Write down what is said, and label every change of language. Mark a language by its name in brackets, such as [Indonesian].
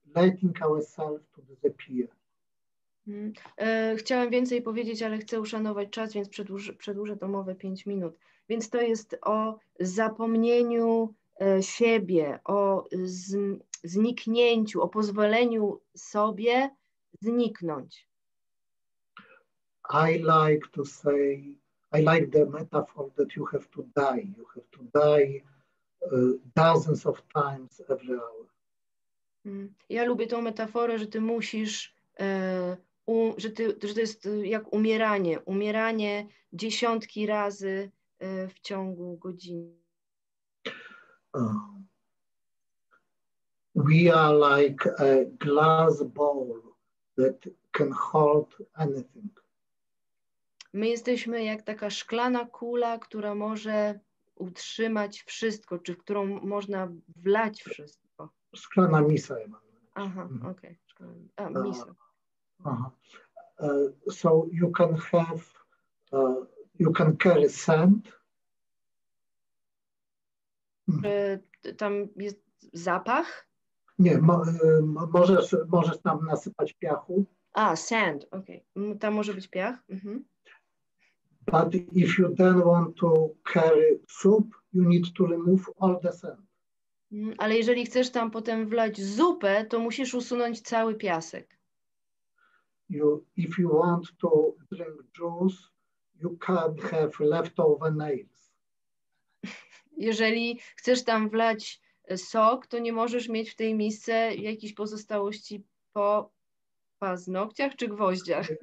[English] letting ourselves to disappear. [Polish] Chciałem więcej powiedzieć, ale chcę uszanować czas, więc przedłużę tą mowę 5 minut. Więc to jest o zapomnieniu siebie, o zniknięciu, o pozwoleniu sobie zniknąć. [English] I like to say, I like the metaphor that you have to die. You have to die dozens of times every hour. [Polish] Ja lubię tą metaforę, że ty musisz, że to jest jak umieranie. Umieranie dziesiątki razy w ciągu godziny. [English] We are like a glass bowl that can hold anything. [Polish] My jesteśmy jak taka szklana kula, która może utrzymać wszystko, czy w którą można wlać wszystko. Szklana misa, ja mam. Aha, okej. Okay. A, misa. [English] So you can have, you can carry sand. [Polish] Tam jest zapach? Nie, możesz tam nasypać piachu. A, sand, okej. Okay. Tam może być piach? Mhm. [English] But if you then want to carry soup, you need to remove all the sand. [Polish] Ale jeżeli chcesz tam potem wlać zupę, to musisz usunąć cały piasek. [English] If you want to drink juice, you can't have leftover nails. [Polish] Jeżeli chcesz tam wlać sok, to nie możesz mieć w tej misce jakichś pozostałości po paznokciach czy gwoździach.